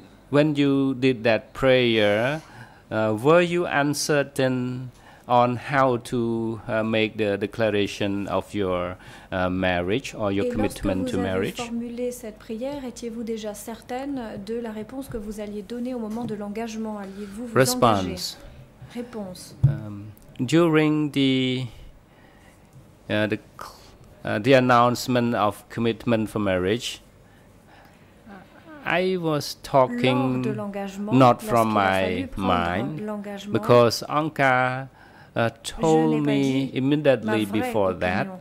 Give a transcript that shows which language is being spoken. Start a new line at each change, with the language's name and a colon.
English: When you did that prayer, were you uncertain on how to make the declaration of your marriage or your commitment to marriage?
French: Et lorsque vous avez formulé cette prière, étiez-vous déjà certaine de la réponse que vous alliez donner au moment de l'engagement? Alliez-vous vous engager? Réponse.
English: During the announcement of commitment for marriage, I was talking not from my mind, because Anka told me immediately before that.